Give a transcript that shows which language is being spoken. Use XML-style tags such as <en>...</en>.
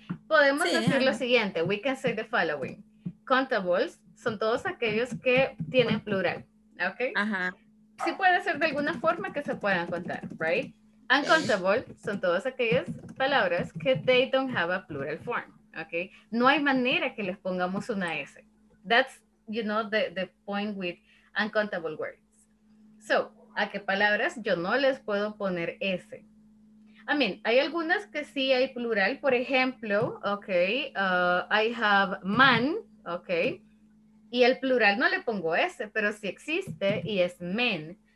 <es>Podemos decir lo siguiente.</es> <en>We can say the following.</en> <es>Contables son todos aquellos que tienen plural, ¿ok? Ajá. Sí puede ser de alguna forma que se puedan contar, right? Uncountable son todas aquellas palabras que</es> <en>they don't have a plural form,</en> <es>¿ok? No hay manera que les pongamos una S.</es> <en>That's, you know, the point with uncountable words.</en> <es>So, ¿a qué palabras yo no les puedo poner S?</es> <en>I mean,</en> <es>hay algunas que sí hay plural. Por ejemplo, ¿ok?</es> <en>I have man.</en> <es>Ok, y el plural no le pongo S, pero sí existe y es men.</es>